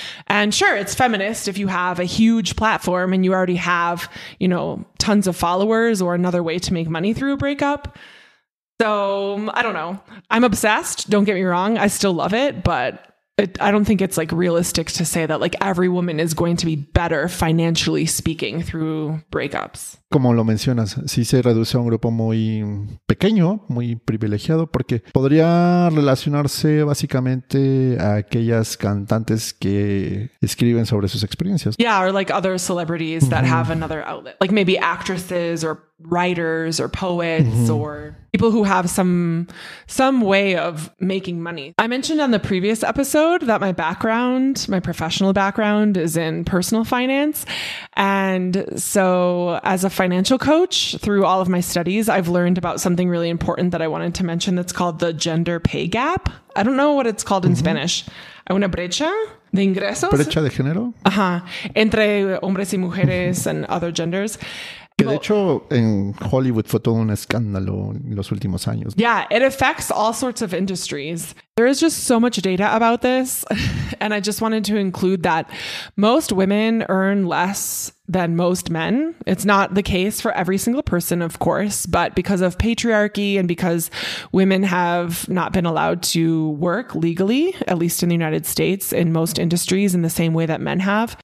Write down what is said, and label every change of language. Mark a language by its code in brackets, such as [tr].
[en] And sure, it's feminist if you have a huge platform and you already have, you know, tons of followers or another way to make money through a breakup. So I don't know. I'm obsessed. Don't get me wrong. I still love it. But I don't think it's like realistic to say that like every woman is going to be better financially speaking through breakups. [es] Como lo mencionas, sí se reduce a un grupo muy pequeño, muy privilegiado, porque podría relacionarse básicamente a aquellas cantantes que escriben sobre sus experiencias. [en] Yeah, or like other celebrities that have another outlet, like maybe actresses or writers or poets or people who have some way of making money. I mentioned on the previous episode that my professional background is in personal finance. And so as a financial coach, through all of my studies, I've learned about something really important that I wanted to mention that's called the gender pay gap. I don't know what it's called in Spanish. [es] Una brecha de ingresos. Brecha de género. Ajá. Entre hombres y mujeres [en] and other genders. [es] Que de hecho en Hollywood fue todo un escándalo en los últimos años. [en] Yeah, it affects all sorts of industries. There is just so much data about this, and I just wanted to include that most women earn less than most men. It's not the case for every single person, of course, but because of patriarchy and because women have not been allowed to work legally, at least in the United States, in most industries in the same way that men have.